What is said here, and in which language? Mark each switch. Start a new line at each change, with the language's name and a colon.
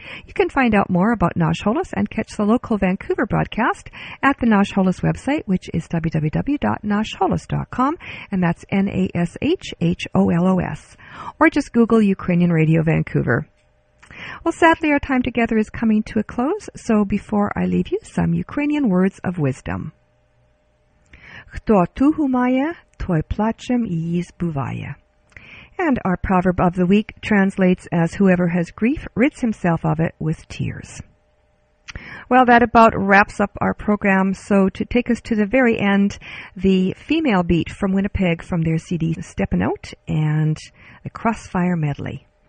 English: You can find out more about Nash Holos and catch the local Vancouver broadcast at the Nash Holos website, which is www.nashholos.com, and that's N-A-S-H-H-O-L-O-S, or just Google Ukrainian Radio Vancouver. Well, sadly, our time together is coming to a close, so before I leave you, some Ukrainian words of wisdom.
Ukrainian: Хто тугу має, той плачем її збуває.
English: And our proverb of the week translates as, whoever has grief rids himself of it with tears. Well, that about wraps up our program. So to take us to the very end, the female beat from Winnipeg from their CD Steppin' Out and the Crossfire Medley.